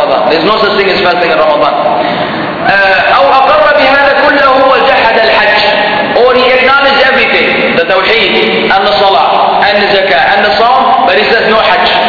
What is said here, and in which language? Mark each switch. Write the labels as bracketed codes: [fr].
[en] There's no such thing as fasting in Ramadan. [ar] أو أقر بهذا كله وجحد الحج. [en] Or he acknowledged everything, the tawheed and the salah and the zakah and the psalm, but he says no hajj.